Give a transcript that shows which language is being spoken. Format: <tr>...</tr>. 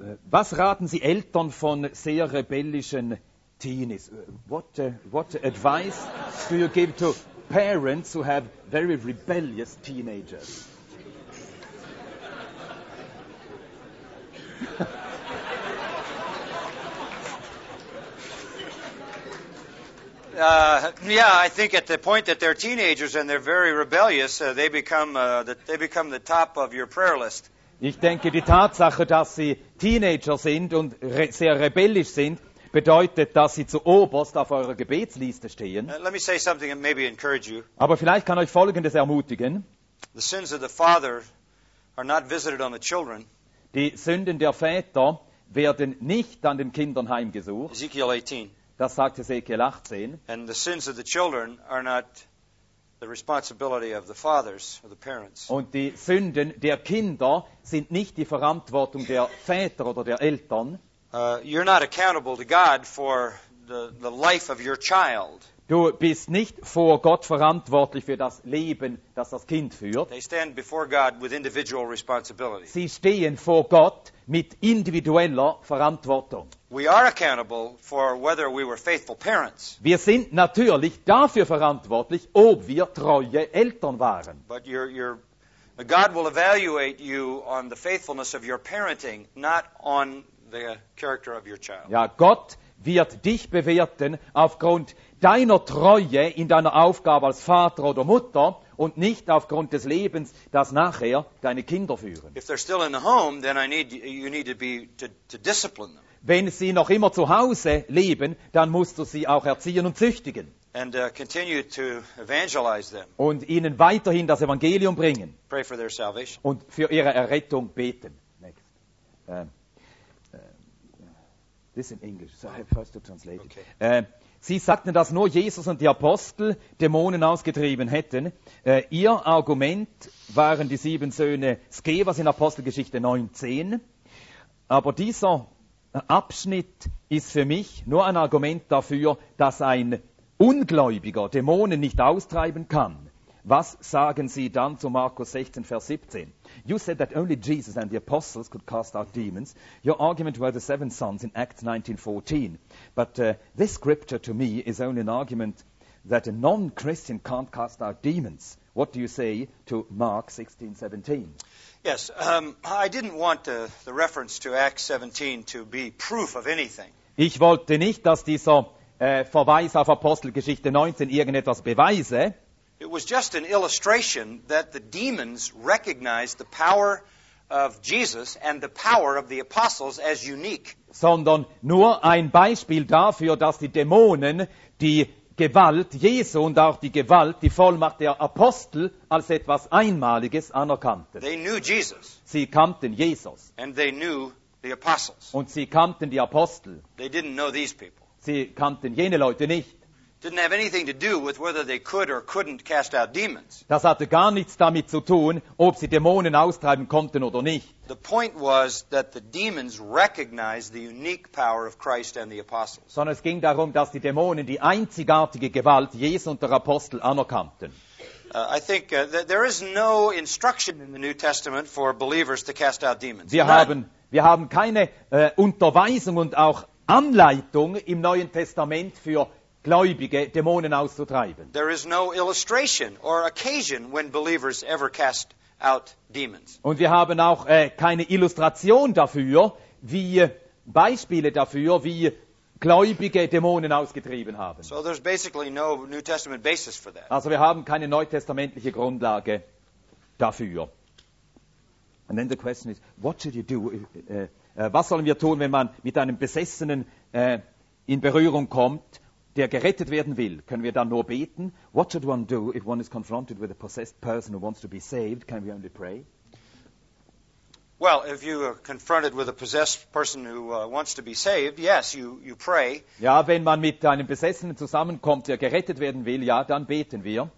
<de>Was raten Sie Eltern von sehr rebellischen Teenies?</de> <en>What advice do you give to parents who have very rebellious teenagers? I think at the point that they're teenagers and they're very rebellious, they become the top of your prayer list.</en> <de>Ich denke, die Tatsache, dass sie Teenager sind und sehr rebellisch sind, bedeutet, dass sie zu oberst auf eurer Gebetsliste stehen.</de> <en>Let me say something and maybe encourage you.</en> <de>Aber vielleicht kann euch Folgendes ermutigen.</de> <en>The sins of the father are not visited on the children.</en> <de>Die Sünden der Väter werden nicht an den Kindern heimgesucht.</de> <en>Ezekiel 18.</en> <de>Das sagt Ezekiel 18.</de> <en>And the sins of the children are not the responsibility of the fathers or the parents.</en> <de>Und die Sünden der Kinder sind nicht die Verantwortung der Väter oder der Eltern.</de> <en>You're not accountable to God for the life of your child.</en> <de>Du bist nicht vor Gott verantwortlich für das Leben, das das Kind führt.</de> <en>They stand before God with individual responsibility.</en> <de>Sie stehen vor Gott mit individueller Verantwortung.</de> <en>We are accountable for whether we were faithful parents.</en> <de>Wir sind natürlich dafür verantwortlich, ob wir treue Eltern waren.</de> <en>But God will evaluate you on the faithfulness of your parenting, not on the character of your child.</en> <de>Ja, Gott wird dich bewerten aufgrund deiner Treue in deiner Aufgabe als Vater oder Mutter und nicht aufgrund des Lebens, das nachher deine Kinder führen.</de> <en>If they're still in the home, then you need to be to discipline them.</en> <de>Wenn sie noch immer zu Hause leben, dann musst du sie auch erziehen und züchtigen.</de> <en>And continue to evangelize them.</en> <de>Und ihnen weiterhin das Evangelium bringen.</de> <en>Pray for their salvation.</en> <de>Und für ihre Errettung beten.</de> <en>Next. This is in English, so I have first to translate it. Okay.</en> <de>Sie sagten, dass nur Jesus und die Apostel Dämonen ausgetrieben hätten. Ihr Argument waren die sieben Söhne Skevas in Apostelgeschichte 19. Aber dieser Abschnitt ist für mich nur ein Argument dafür, dass ein Ungläubiger Dämonen nicht austreiben kann. Was sagen Sie dann zu Markus 16, Vers 17?</de> <en>You said that only Jesus and the apostles could cast out demons. Your argument were the seven sons in Acts 19:14. But this scripture to me is only an argument that a non-Christian can't cast out demons. What do you say to Mark 16:17? Yes, I didn't want the reference to Acts 17 to be proof of anything.</en> <de>Ich wollte nicht, dass dieser Verweis auf Apostelgeschichte 19 irgendetwas beweise.</de> <en>It was just an illustration that the demons recognized the power of Jesus and the power of the apostles as unique.</en> <de>Sondern nur ein Beispiel dafür, dass die Dämonen die Gewalt Jesu und auch die Gewalt, die Vollmacht der Apostel als etwas Einmaliges anerkannten.</de> <en>They knew Jesus.</en> <de>Sie kannten Jesus.</de> <en>And they knew the apostles.</en> <de>Und sie kannten die Apostel.</de> <en>They didn't know these people.</en> <de>Sie kannten jene Leute nicht.</de> <en>didn't have anything to do with whether they could or couldn't cast out demons.</en> <de>Das hatte gar nichts damit zu tun, ob sie Dämonen austreiben konnten oder nicht.</de> <en>The point was that the demons recognized the unique power of Christ and the apostles.</en> <de>Sondern es ging darum, dass die Dämonen die einzigartige Gewalt Jesu und der Apostel anerkannten.</de> <en>I think there is no instruction in the New Testament for believers to cast out demons.</en> <de>Wir haben keine Unterweisung und auch Anleitung im Neuen Testament für Gläubige, Dämonen auszutreiben.</de> <en>There is no illustration or occasion when believers ever cast out demons.</en> <de>Und wir haben auch keine Illustration dafür, wie Beispiele dafür, wie Gläubige Dämonen ausgetrieben haben.</de> <en>So there's basically no New Testament basis for that.</en> <de>Also wir haben keine neutestamentliche Grundlage dafür.</de> <en>And then the question is, what should you do?</en> <de>Was sollen wir tun, wenn man mit einem Besessenen in Berührung kommt, der gerettet werden will? Können wir dann nur beten?</de> <en>What should one do if one is confronted with a possessed person who wants to be saved? Can we only pray? Well, if you are confronted with a possessed person who wants to be saved, yes, you pray.</en> <de>Ja, wenn man mit einem Besessenen zusammenkommt, der gerettet werden will, ja, dann beten wir.</de>